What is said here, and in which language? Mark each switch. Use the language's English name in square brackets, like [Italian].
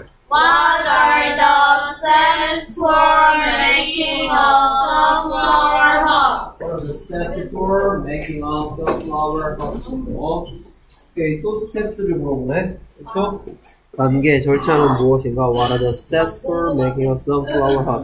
[English] What are the steps for making a sunflower hut? What are the steps for making a sunflower hut? [Korean] 오케이, 또 스텝스를 물어보네. 그쵸? 단계, 절차는 무엇인가? [English] What are the steps for making a sunflower hut?